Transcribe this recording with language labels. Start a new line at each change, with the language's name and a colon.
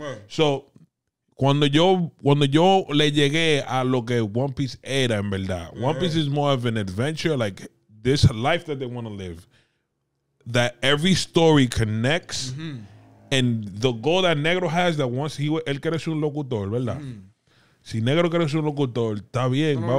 Spanish: So, cuando yo le llegué a lo que One Piece era, en verdad.
English: One Piece is more of an adventure. Like, this life that they want to live. That every story connects. Mm-hmm. And the goal that Negro has, that once he...
Spanish: él quiere ser un locutor, ¿verdad? Mm. Si Negro quiere ser un locutor, está bien.